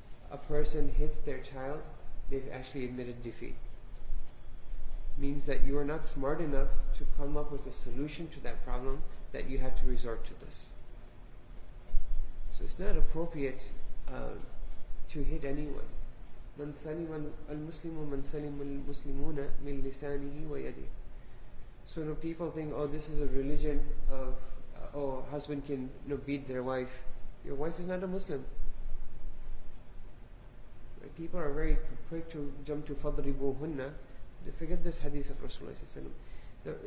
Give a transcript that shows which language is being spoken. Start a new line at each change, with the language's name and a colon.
English: a person hits their child, they've actually admitted defeat. Means that you are not smart enough to come up with a solution to that problem, that you had to resort to this. So it's not appropriate to hit anyone.
Arabic: من سلم المسلم من سلم المسلمون من لسانه ويده.
English: So no, people think, oh, this is a religion of, oh, husband can beat their wife. Your wife is not a Muslim. People are very quick to jump to فضربوهن. They forget this hadith of Rasulullah sallallahu alaihi wasallam.